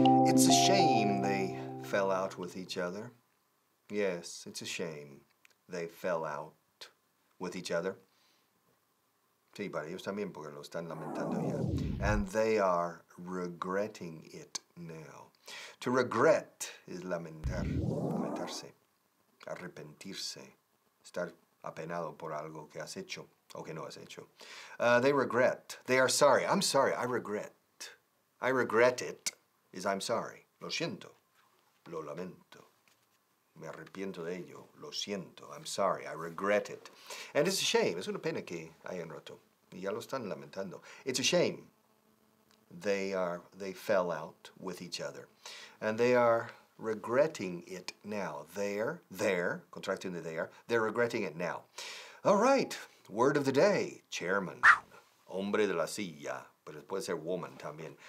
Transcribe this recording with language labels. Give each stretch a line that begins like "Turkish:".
English: It's a shame they fell out with each other. Yes, it's a shame they fell out with each other.
Spanish: Sí, para ellos también, porque lo están lamentando ya.
English: And they are regretting it now. To regret is
Spanish: lamentar, lamentarse, arrepentirse. Estar apenado por algo que has hecho o que no has hecho.
English: They regret. They are sorry. I'm sorry. I regret. I regret it.
Spanish: is I'm sorry. Lo siento. Lo lamento. Me arrepiento de ello. Lo siento.
English: I'm sorry. I regret it. And it's a shame.
Spanish: Es una pena que hayan roto. Y ya lo están lamentando. It's a shame.
English: They fell out with each other. And they are regretting it now. There, contracting the there, they're regretting it now. All right, word of the day, chairman.
Spanish: Hombre de la silla, pero puede ser woman también.